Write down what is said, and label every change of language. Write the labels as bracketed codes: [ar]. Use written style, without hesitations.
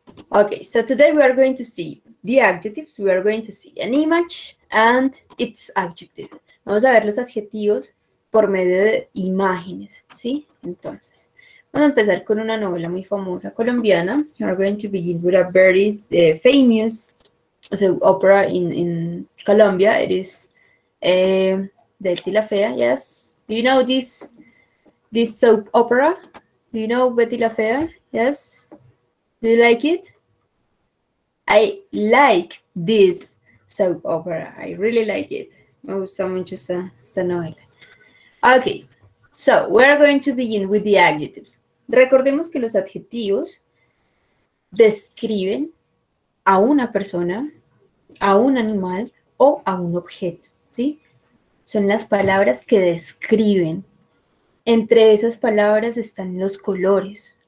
[en] Okay, so today we are going to see the adjectives. We are going to see an image and its adjective. [es] Vamos a ver los adjetivos por medio de imágenes, ¿sí? Entonces, vamos a empezar con una novela muy famosa colombiana. [en] We are going to begin with a very famous opera in Colombia. It is Betty la Fea, yes. Do you know this soap opera? Do you know Betty la Fea? Yes. Do you like it? I like this soap opera. I really like it. [es] Me gusta mucho esta novela. [en] Okay, so we're going to begin with the adjectives. [es] Recordemos que los adjetivos describen a una persona, a un animal o a un objeto, ¿sí? Son las palabras que describen. Entre esas palabras están los colores.